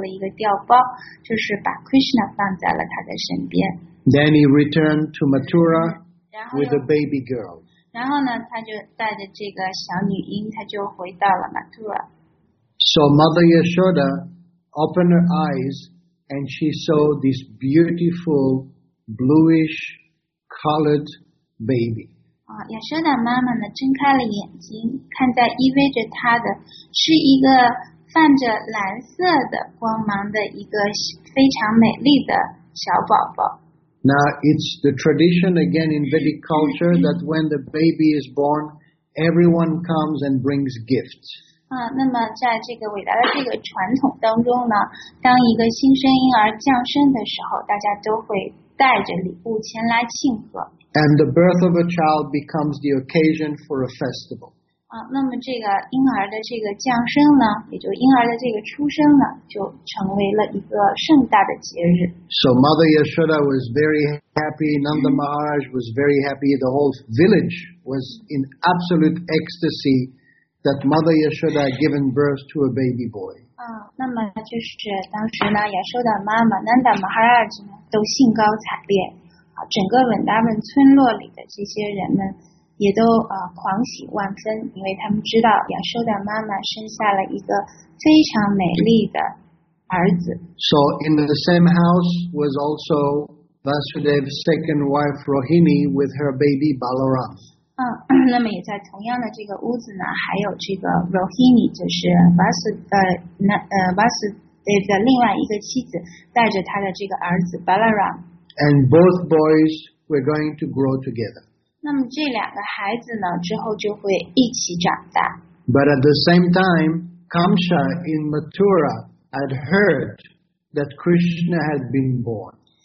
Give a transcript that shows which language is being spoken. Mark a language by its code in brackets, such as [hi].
[zh] 然后呢，在这个夜半时分，他就把这个在亚修达妈妈身边的这个婴儿呢，就做了一个调包，就是把 Krishna 放在了他的身边. [en] Then he returned to Mathura with a baby girl. [zh] 然后呢，他就带着这个小女婴，他就回到了 Mathura. [en] So Mother Yashoda opened her eyes and she saw this beautiful bluish colored baby. [zh] 亚瑟达妈妈呢睁开了眼睛，看在依偎着她的是一个泛着蓝色的光芒的一个非常美丽的小宝宝。 [en] Now it's the tradition again in Vedic culture that when the baby is born, everyone comes and brings gifts. [zh] 那么在这个伟大的这个传统当中呢，当一个新生婴儿降生的时候，大家都会带着礼物前来庆贺。 [en] And the birth of a child becomes the occasion for a festival. [zh] 那么这个婴儿的这个降生呢，也就婴儿的这个出生呢，就成为了一个盛大的节日。 [en] So Mother Yashoda was very happy. Nanda Maharaj was very happy. The whole village was in absolute ecstasy that Mother Yashoda had given birth to a baby boy. [zh] 那么就是当时呢，亚瑟达妈妈 Nanda Maharaj 呢都兴高采烈。整个文达文村落里的这些人们也都狂喜万分，因为他们知道亚瑟达妈妈生下了一个非常美丽的儿子。 [en] So in the same house was also Vasudev's second wife Rohini with her baby Balaram. [zh] 那么也在同样的这个屋子呢，还有这个 Rohini， 就是 Vasudev 的另外一个妻子，带着他的这个儿子 Balaram。 [en] And both boys were going to grow together. [zh] 那么这两个孩子呢，之后就会一起长大。 [en] But at the same time, Kamsa in Mathura had heard that Krishna had been born.